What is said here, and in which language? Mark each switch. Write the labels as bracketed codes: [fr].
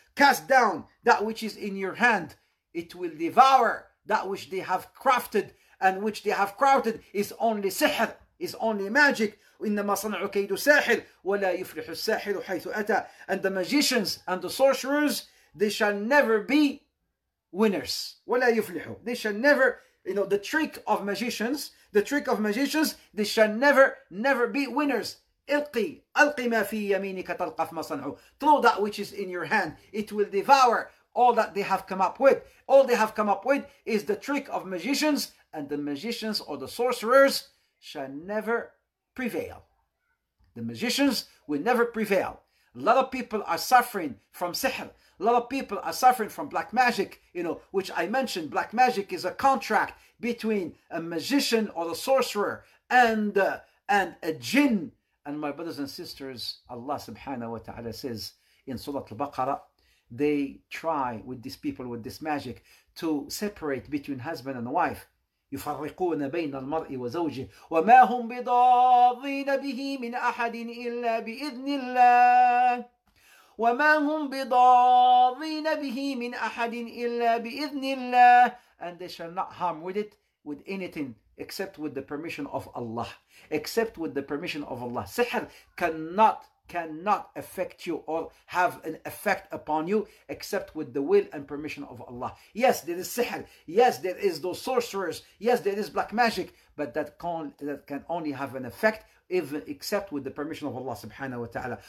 [en] Cast down that which is in your hand. It will devour that which they have crafted. And which they have crafted is only sihr. Is only magic. [ar] إنما صنع كيد ساحر ولا يفلح الساحر حيث أتى. [en] And the magicians and the sorcerers, they shall never be winners. [ar] ولا يفلح. [en] They shall never, the trick of magicians, they shall never be winners. [ar] ألقي ما في يمينك تلقف ما صنعوا. [en] Throw that which is in your hand. It will devour all that they have come up with. All they have come up with is the trick of magicians, and the magicians or the sorcerers shall never prevail. The magicians will never prevail. A lot of people are suffering from sihr. A lot of people are suffering from black magic, which I mentioned. Black magic is a contract between a magician or the sorcerer and a jinn. And my brothers and sisters, Allah subhanahu wa ta'ala says in Surah Al-Baqarah, they try with these people, with this magic, to separate between husband and wife. [ar] يفرقون بين المرء وزوجه وما هم بضارين به من أحد إلا بإذن الله وما هم بضارين به من أحد إلا بإذن الله. [en] And they shall not harm with it, with anything, except with the permission of Allah. Except with the permission of Allah. Sihr cannot affect you or have an effect upon you except with the will and permission of Allah. Yes, there is sihr. Yes, there is those sorcerers. Yes, there is black magic. But that can only have an effect except with the permission of Allah subhanahu wa ta'ala.